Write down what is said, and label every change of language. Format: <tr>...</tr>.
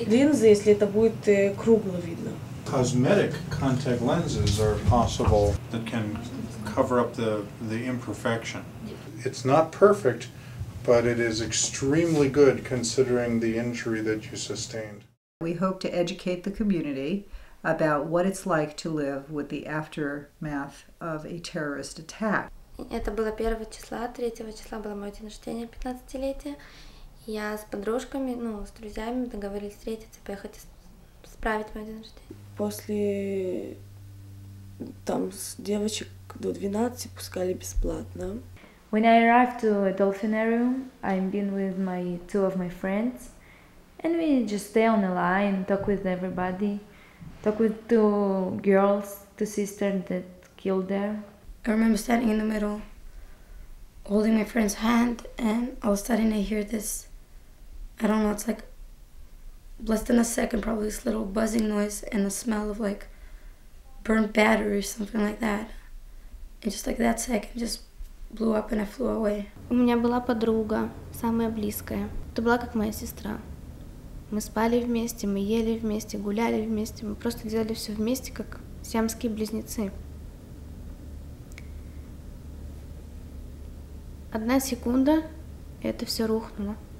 <en>Cosmetic contact lenses are possible that can cover up the imperfection. It's not perfect, but it is extremely good considering the injury that you sustained. We hope to educate the community about what it's like to live with the aftermath of a terrorist attack.</en> <ru>Это было 1 числа, 3 числа было мое день рождения, 15-летие. Я с подружками, ну, с друзьями договорились встретиться, поехать справить мое день рождения. После, там, с девочек до 12 пускали бесплатно.</ru> <en>When I arrived to a Dolphinarium, I've been with my two of my friends. And we just stay on the line, talk with everybody. Talk with two girls, two sisters that killed there. I remember standing in the middle, holding my friend's hand, and all of a sudden I hear this, I don't know, it's like less than a second, probably this little buzzing noise and the smell of like burnt battery or something like that. And just like that second, just blew up and I flew away.</en> <ru>У меня была подруга, самая близкая. Это была как моя сестра. Мы спали вместе, мы ели вместе, гуляли вместе, мы просто делали все вместе, как сиамские близнецы. Одна секунда, и это все рухнуло.</ru>